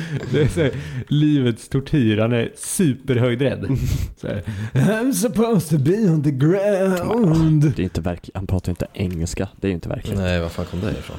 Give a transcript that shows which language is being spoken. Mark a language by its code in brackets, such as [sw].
[sv] Det är så här, livets tortyr. Han är superhöjdrädd. Så här, [en] I'm supposed to be on the ground. [sv] Det är inte verkligen. Han pratar inte engelska. Det är ju inte verkligen. Nej, vad fan kom det ifrån?